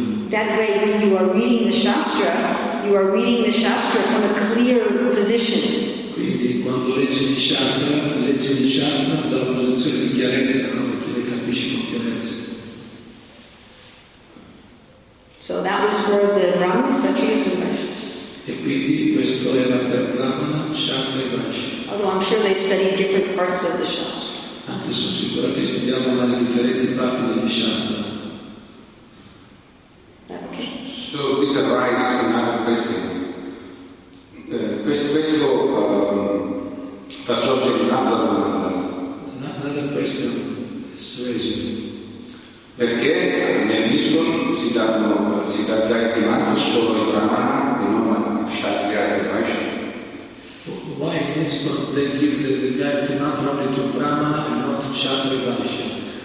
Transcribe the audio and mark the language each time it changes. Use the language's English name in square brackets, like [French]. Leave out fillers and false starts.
[English] That way when you are reading the Shastra, you are reading the Shastra from a clear position. [Italian] Quindi quando leggi il Shastra dalla posizione di chiarezza, perché le capisci con chiarezza. [English] So that was for the Brahmana, Kshatriyas and Vaishyas. [Italian] E quindi questo era per Brahmana, Kshatriya e Vaishya. [English] Although I'm sure they studied different parts of the Shastra. [Italian] Anche sono sicuro che studiamo le differenti parti del Shastra. [English] So this arises another question. [Italian] Questo fa sorgere un'altra domanda. [English] Another question is raising. [Italian] Perché nel disco si dà Gayatri Mantra solo ai Brahmana e non a Kshatriya e Vaishya? [English] Why in this one they give the Gayatri Mantra only to Brahmana and not to Kshatriya Vaishya?